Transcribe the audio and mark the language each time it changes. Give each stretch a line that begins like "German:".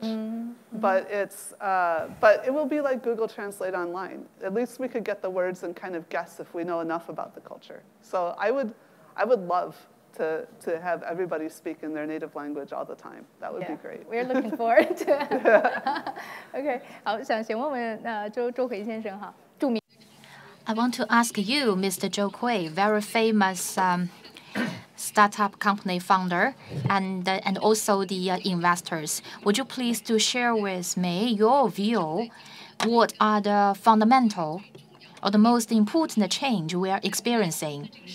English: mm-hmm. but it will be like Google Translate online. At least we could get the words and kind of guess if we know enough about the culture. So I would love to have everybody speak in their native language all the time. That would yeah, be great. We're looking forward to it. Okay.
Chinese: 好,想请问问周慧先生,著名。
English: I want to ask you, Mr. Zhou Kui, very famous startup company founder and also the investors. Would you please to share with me your view, what are the fundamental or the most important change we are experiencing?